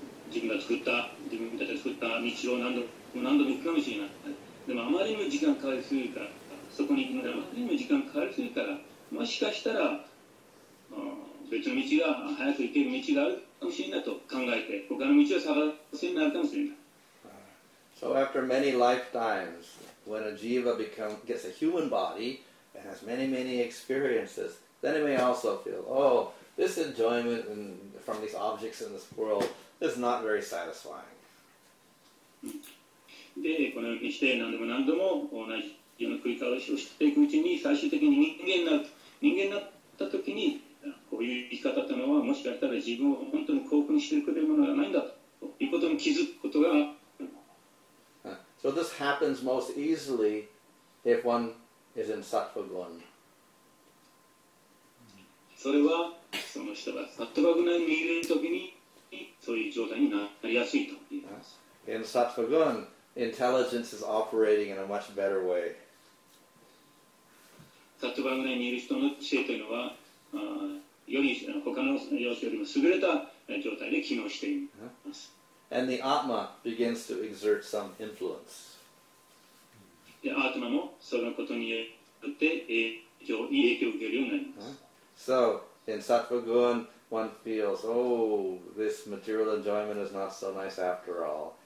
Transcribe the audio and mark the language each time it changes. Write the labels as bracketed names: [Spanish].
[Japanese] 自分たちが作った道を何度も行くかもしれない。でもあまりにも時間かかりすぎるから、そこに行くのであまりにも時間かかりすぎるから、もしかしたら、別の道が早く行ける道があるかもしれないと考えて、他の道を探すようになるかもしれない。 [English] So after many lifetimes, when a jiva gets a human body and has many, many experiences, then it may also feel, oh, this enjoyment from these objects in this world,It's not very satisfying. [Japanese] で、このようにして何度も同じような繰り返しをしていくうちに、最終的に人間になったときに、こういう生き方というのは、もしかしたら自分を本当に幸福にしてくれるものがないんだということに気づくことが。 [English] So this happens most easily if one is in sattva gun. [Japanese] それはその人がサトバグナにいるときにそういう状態になりやすいと言います。 [English] In sattva gun, intelligence is operating in a much better way. [Japanese] サトバグナにいる人の知恵というのはより他の様子よりも優れた状態で機能しています。 And the Atma begins to exert some influence. アートマもそのことによって影響を受けるようになります。 [English] So, in sattva gun, one feels, oh, this material enjoyment is not so nice after all.